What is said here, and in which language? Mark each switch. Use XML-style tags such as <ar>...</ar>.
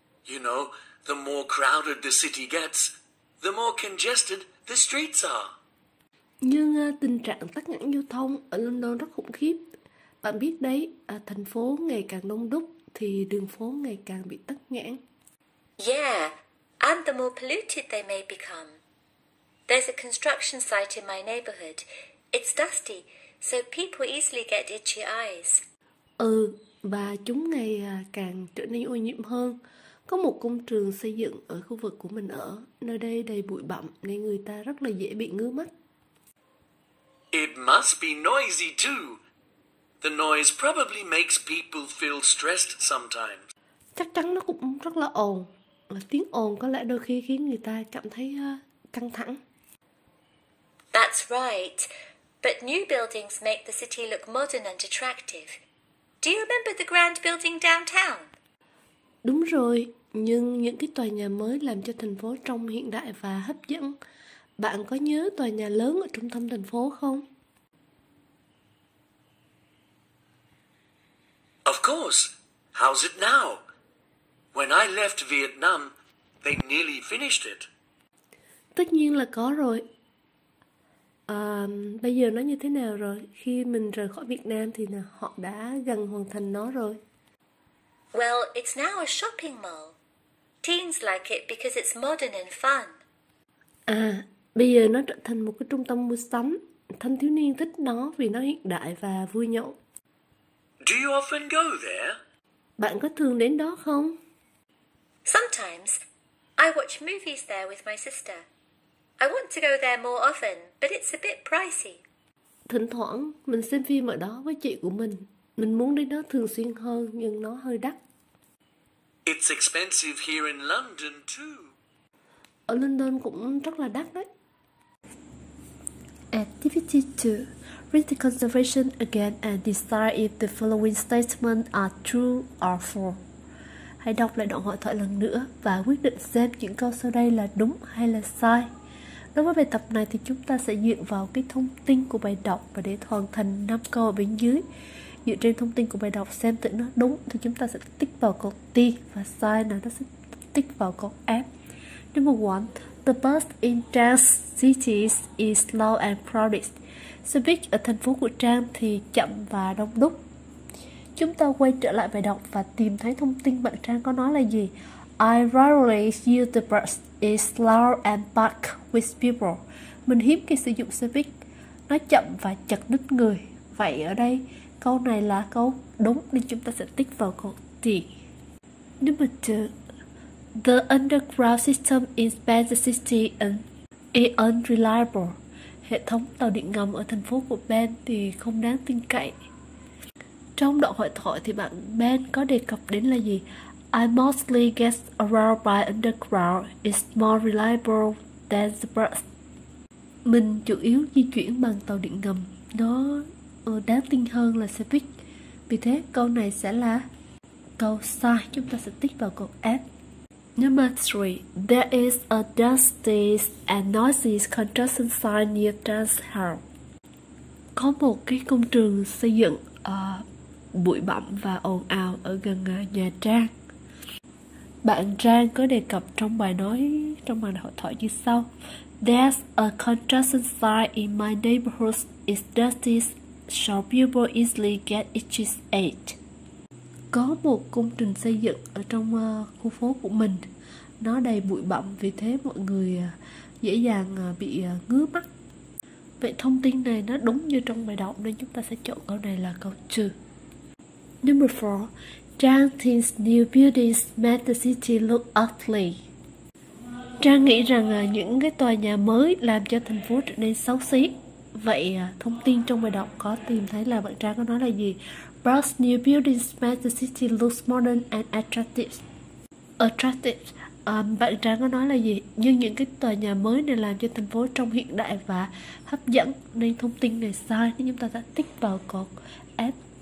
<en>You know, the more crowded the city gets, the more congested the streets are.</en> <vi>Nhưng tình trạng tắc nghẽn giao thông ở London rất khủng khiếp. Bạn biết đấy, thành phố ngày càng đông đúc thì đường phố ngày càng bị tắc nghẽn.</vi> <en>Yeah, and the more polluted they may become. There's a construction site in my neighborhood. It's dusty, so people easily get itchy eyes.</en> <vi>Ừ, và chúng ngày càng trở nên ô nhiễm hơn. Có một công trường xây dựng ở khu vực của mình ở. Nơi đây đầy bụi bặm nên người ta rất là dễ bị ngứa mắt.</vi> <en>It must be noisy too. The noise probably makes people feel stressed sometimes.</en> <vi>Chắc chắn nó cũng rất là ồn. Và tiếng ồn có lẽ đôi khi khiến người ta cảm thấy căng thẳng.</vi> <en>That's right. But new buildings make the city look modern and attractive. Do you remember the grand building downtown?</en> <vi>Đúng rồi, nhưng những cái tòa nhà mới làm cho thành phố trông hiện đại và hấp dẫn. Bạn có nhớ tòa nhà lớn ở trung tâm thành phố không?</vi> <en>Of course. How's it now? When I left Vietnam, they nearly finished it.</en> <vi>Tất nhiên là có rồi. Bây giờ nó như thế nào rồi? Khi mình rời khỏi Việt Nam thì họ đã gần hoàn thành nó rồi.</vi> <en>Well, it's now a shopping mall. Teens like it because it's modern and fun.</en> <vi>À, bây giờ nó trở thành một cái trung tâm mua sắm. Thanh thiếu niên thích nó vì nó hiện đại và vui nhộn.</vi> <en>Do you often go there?</en> <vi>Bạn có thường đến đó không?</vi> <en>Sometimes. I watch movies there with my sister. I want to go there more often, but it's a bit pricey.</en> <vi>Thỉnh thoảng, mình xem phim ở đó với chị của mình. Mình muốn đến đó thường xuyên hơn, nhưng nó hơi đắt.</vi> <en>It's expensive here in London too.</en> <vi>Ở London cũng rất là đắt đấy.</vi> <en>Activity 2. Read the conservation again and decide if the following statements are true or false.</en> <vi>Hãy đọc lại đoạn hội thoại lần nữa và quyết định xem những câu sau đây là đúng hay là sai. Đối với bài tập này thì chúng ta sẽ dựa vào cái thông tin của bài đọc và để hoàn thành 5 câu ở bên dưới. Dựa trên thông tin của bài đọc xem tự nó đúng thì chúng ta sẽ tích vào câu T và sai là nó sẽ tích vào câu F.</vi> <en>Number 1. The bus in Trang's cities is slow and crowded.</en> <vi>Xe buýt ở thành phố của Trang thì chậm và đông đúc. Chúng ta quay trở lại bài đọc và tìm thấy thông tin bạn Trang có nói là gì.</vi> <en>I rarely use the bus. It's slow and packed with people.</en> <vi>Mình hiếm khi sử dụng xe buýt. Nó chậm và chật ních người. Vậy ở đây câu này là câu đúng nên chúng ta sẽ tích vào câu T.</vi> <en>Number 2. The underground system in Benz City is unreliable.</en> <vi>Hệ thống tàu điện ngầm ở thành phố của Ben thì không đáng tin cậy. Trong đoạn hội thoại thì bạn Ben có đề cập đến là gì?</vi> <en>I mostly get around by underground. It's more reliable than the bus.</en> <vi>Mình chủ yếu di chuyển bằng tàu điện ngầm. Nó đáng tin hơn là xe buýt. Vì thế câu này sẽ là câu sai. Chúng ta sẽ tích vào câu F.</vi> <en>Number 3. There is a dusty and noisy construction site near Trang's house.</en> <vi>Có một cái công trường xây dựng bụi bặm và ồn ào ở gần nhà Trang. Bạn Trang có đề cập trong bài nói, trong bài hội thoại như sau.</vi> <en>There's a construction site in my neighborhood. It's dusty, so people easily get itchy eyes.</en> <vi>Có một công trình xây dựng ở trong khu phố của mình. Nó đầy bụi bặm, vì thế mọi người dễ dàng bị ngứa mắt. Vậy thông tin này nó đúng như trong bài đọc nên chúng ta sẽ chọn câu này là câu 2.</vi> <en>Number 4. Trang thinks new buildings make the city look ugly.</en> <vi>Trang nghĩ rằng những cái tòa nhà mới làm cho thành phố trở nên xấu xí. Vậy thông tin trong bài đọc có tìm thấy là bạn Trang có nói là gì?</vi> <en>Brand new buildings make the city look modern and attractive.</en> <vi>Attractive. Bạn Trang có nói là gì? Nhưng những cái tòa nhà mới này làm cho thành phố trông hiện đại và hấp dẫn. Nên thông tin này sai. Nên chúng ta sẽ tích vào câu F.</vi>